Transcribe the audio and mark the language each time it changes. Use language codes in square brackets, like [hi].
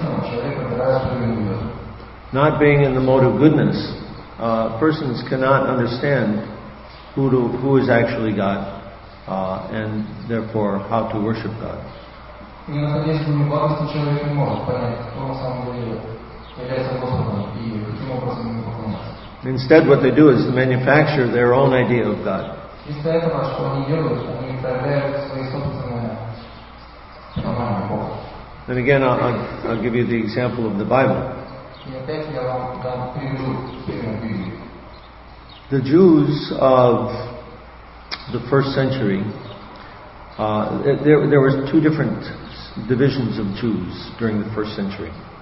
[en] Not being in the mode of goodness, persons cannot understand who is actually God, and therefore how to worship God. [ru] И находясь в уме благости, человек не может понять, кто на самом деле является Господом и каким образом ему поклоняться. [en] Instead, what they do is to manufacture their own idea of God. [ru] Вместо этого, что они делают, они проявляют свои собственные понимания Бога. [en] And again, I'll give you the example of the Bible. [ru] И опять я вам дам пример Библии. [en] The Jews of the first century, there were two different divisions of Jews during the first century.